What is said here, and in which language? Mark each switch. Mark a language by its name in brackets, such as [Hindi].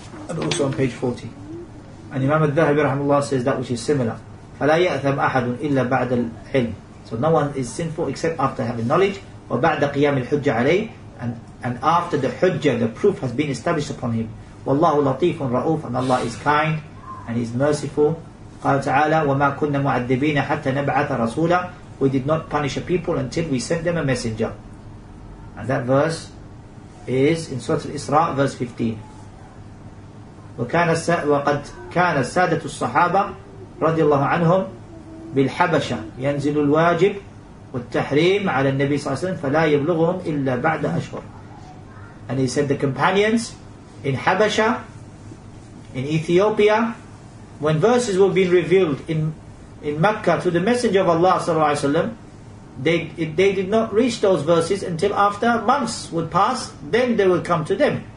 [English] And also on page 40, and Imam al-Dhahabi rahimahullah says that which is similar. [Arabic] فَلَا يَأْثَمْ أَحَدٌ إِلَّا بَعْدَ الْحِلْمِ. [English] So no one is sinful except after having knowledge, or [Arabic] بعد قيام الحجة عليه, [English] and after the حجة, the proof has been established upon him. [Arabic] والله لطيف رؤوف, [English] and Allah is kind and He is merciful. [Arabic] قال تعالى وما كنا معذبين حتى نبعث رسولا. [English] We did not punish a people until we sent them a messenger. And that verse is in Surah Al-Isra, verse 15. [Arabic] وقد كان سادة الصحابة رضي الله عنهم بالحبشة ينزل الواجب والتحريم على النبي صلى الله عليه وسلم فلا يبلغهم إلا بعد أشهر. [English] And he said the companions in Habasha, in Ethiopia, when verses were being revealed in Mecca to the Messenger of Allah [Arabic] صلى الله عليه وسلم, [English] they did not reach those verses until after months would pass, then they would come to them.